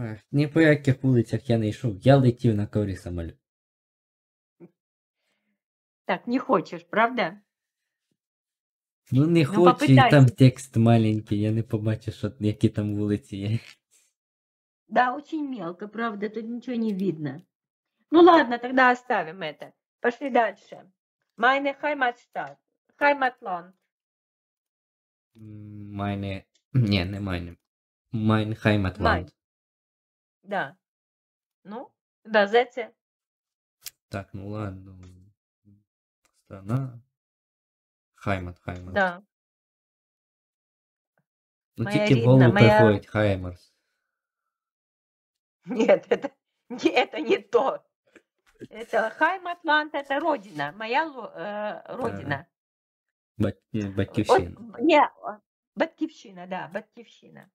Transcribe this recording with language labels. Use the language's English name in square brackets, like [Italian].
[Ukrainian] Ні по яких вулицях я не йшов. Я летів на коврі самоліт. Так, не хочеш, правда? Ну, не хочу, і там текст маленький, я не побачу, що, які там вулиці є. [Russian] Да, очень мелко, правда, [Ukrainian] тут нічого не видно. [Russian] Ну, ладно, тогда оставим это. Пошли дальше. [German] Meine Heimatstadt. Heimatland. Meine... [Russian] Не, не [German] meine. Mein Heimatland. Mein. [Russian] Да. Ну, да, зайце. Так, ну ладно. Страна. Хаймат, Хаймат. Да. [Ukrainian] Ну, моя тільки в голову моя... приходить Хаймарс. [Russian] Нет, это не то. Это Хайматланд, это родина. Моя родина. [Ukrainian] Батьківщина. Батьківщина, да, батьківщина.